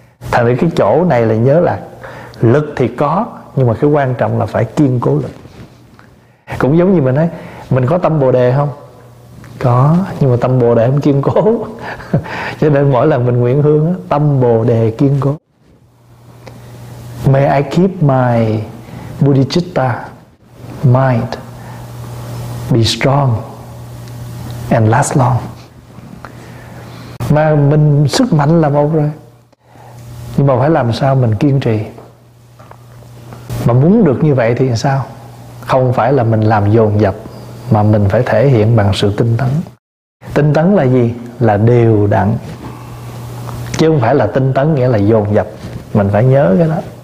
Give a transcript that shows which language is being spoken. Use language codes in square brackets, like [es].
[vi] Thành ra cái chỗ này là nhớ là lực thì có, nhưng mà cái quan trọng là phải kiên cố lực. Cũng giống như mình nói, mình có tâm Bồ Đề không? Có, nhưng mà tâm Bồ Đề không kiên cố. Cho nên mỗi lần mình nguyện hương đó, tâm Bồ Đề kiên cố. [en] May I keep my bodhicitta mind be strong and last long. [vi] Mà mình sức mạnh là một rồi, nhưng mà phải làm sao mình kiên trì. Mà muốn được như vậy thì sao? Không phải là mình làm dồn dập, mà mình phải thể hiện bằng sự tinh tấn. Tinh tấn là gì? Là đều đặn, chứ không phải là tinh tấn nghĩa là dồn dập. Mình phải nhớ cái đó.